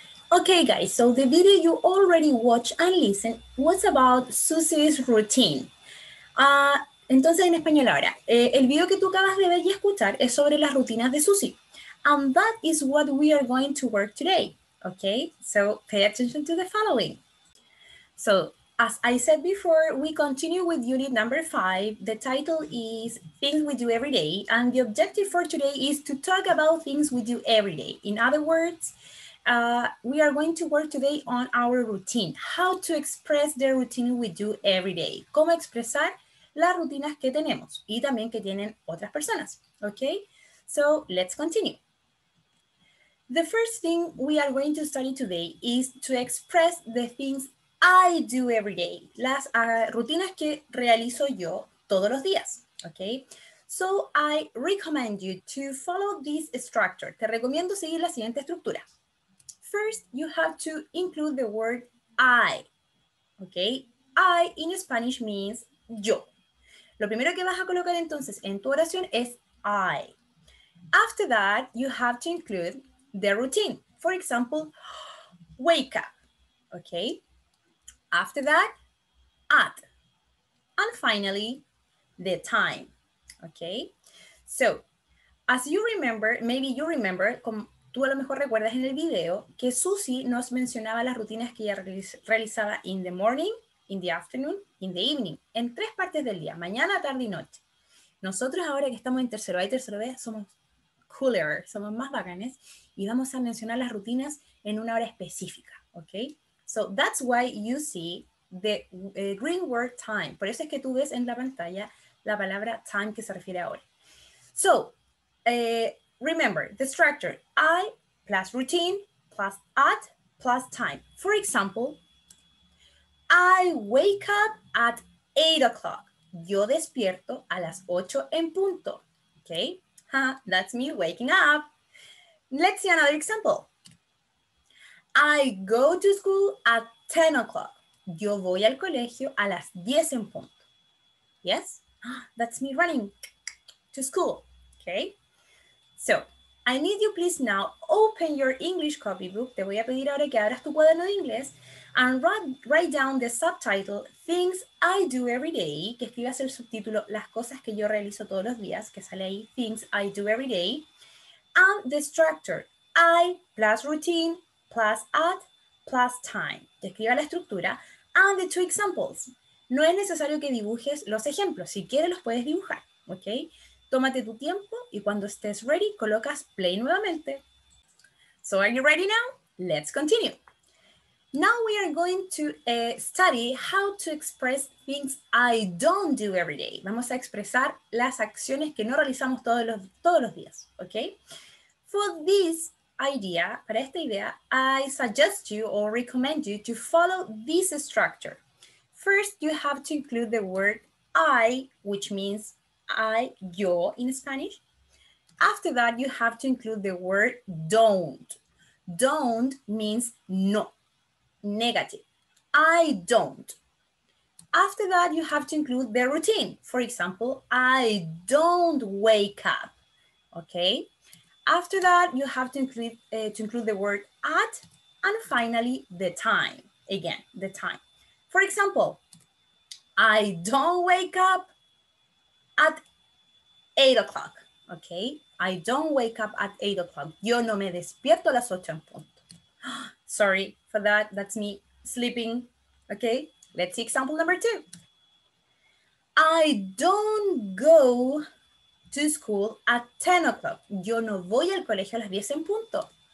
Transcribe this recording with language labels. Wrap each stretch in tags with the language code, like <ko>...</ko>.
<en>Okay, guys, so the video you already watched and listened was about Susie's routine.</en> <es>Entonces, en español ahora, el video que tú acabas de ver y escuchar es sobre las rutinas de Susie.</es> <en>And that is what we are going to work today, okay? So, pay attention to the following. So, as I said before, we continue with unit number 5. The title is Things We Do Every Day. And the objective for today is to talk about things we do every day. In other words, we are going to work today on our routine. How to express the routine we do every day.</en> <es>Cómo expresar las rutinas que tenemos y también que tienen otras personas.</es> <en>Okay, so let's continue. The first thing we are going to study today is to express the things I do every day.</en> <es>Las rutinas que realizo yo todos los días.</es> <en>Okay, so I recommend you to follow this structure.</en> <es>Te recomiendo seguir la siguiente estructura.</es> <en>First, you have to include the word I, okay? I in Spanish means yo.</en> <es>Lo primero que vas a colocar entonces en tu oración es I.</es> <en>After that, you have to include the routine. For example, wake up, okay? After that, at. And finally, the time, okay? So, as you remember,</en> <es>maybe you remember, tú a lo mejor recuerdas en el video que Susie nos mencionaba las rutinas que ella realizaba</es> <en>in the morning, in the afternoon, in the evening,</en> <es>en tres partes del día, mañana, tarde y noche. Nosotros ahora que estamos en tercero A y tercero B somos cooler, somos más bacanes y vamos a mencionar las rutinas en una hora específica, ¿ok?</es> <en>So that's why you see the green word time.</en> <es>Por eso es que tú ves en la pantalla la palabra time que se refiere ahora.</es> <en>So, remember, the structure, I plus routine plus at plus time. For example, I wake up at 8 o'clock.</en> <es>Yo despierto a las 8 en punto.</es> <en>Okay, huh, that's me waking up. Let's see another example. I go to school at 10 o'clock.</en> <es>Yo voy al colegio a las 10 en punto.</es> <en>Yes, that's me running to school. Okay. So, I need you please now open your English copybook.</en> <es>Te voy a pedir ahora que abras tu cuaderno de inglés</es> <en>and write down the subtitle Things I Do Every Day,</en> <es>que escribas el subtítulo Las Cosas Que Yo Realizo Todos Los Días, que sale ahí,</es> <en>Things I Do Every Day, and the structure I plus routine plus add plus time.</en> <es>Te escriba la estructura</es> <en>and the two examples.</en> <es>No es necesario que dibujes los ejemplos, si quieres los puedes dibujar, ¿ok? Tómate tu tiempo y cuando estés ready, colocas play nuevamente.</es> <en>So are you ready now? Let's continue. Now we are going to study how to express things I don't do every day.</en> <es>Vamos a expresar las acciones que no realizamos todos los días, ¿ok?</es> <en>For this idea,</en> <es>para esta idea,</es> <en>I suggest you or recommend you to follow this structure. First, you have to include the word I, which means I, yo in Spanish. After that, you have to include the word don't. Don't means no, negative. I don't. After that, you have to include the routine. For example, I don't wake up. Okay. After that, you have to include the word at, and finally, the time. Again, the time. For example, I don't wake up at 8 o'clock, okay? I don't wake up at 8 o'clock.</en> <es>Yo no me despierto a las 8 en punto.</es> <en>Sorry for that, that's me sleeping, okay? Let's see example number two. I don't go to school at 10 o'clock.</en> <es>Yo no voy al colegio a las 10 en punto.</es>